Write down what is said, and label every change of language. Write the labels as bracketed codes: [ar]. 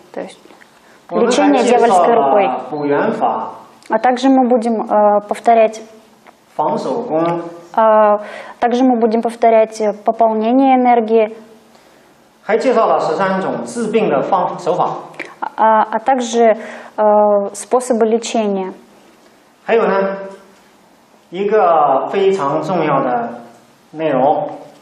[ru] То есть лечение «Дьявольской рукой». А также мы будем повторять пополнение энергии. [zh] 还介绍了13种治病的方手法。 [ru] А также способы лечения. [zh] 还有呢, 一个非常重要的内容,